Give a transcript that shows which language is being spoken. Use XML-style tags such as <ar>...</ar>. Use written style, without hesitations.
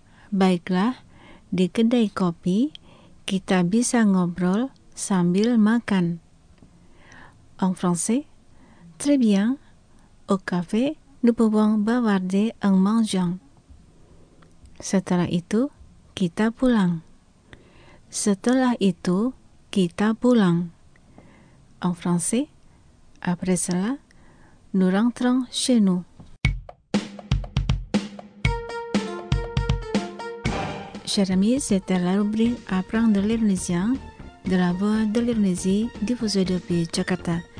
<id>Baiklah, di kedai kopi kita bisa ngobrol sambil makan.</id> <fr>En français, très bien, au café nous pouvons bavarder en mangeant.</fr> <id>Setelah itu, kita pulang. Setelah itu, kita pulang.</id> <fr>En français, après cela, nous rentrons chez nous. Chers amis, c'était la rubrique Apprendre l'Indonésien de la Voix de l'Indonésie diffusée depuis Jakarta.</fr>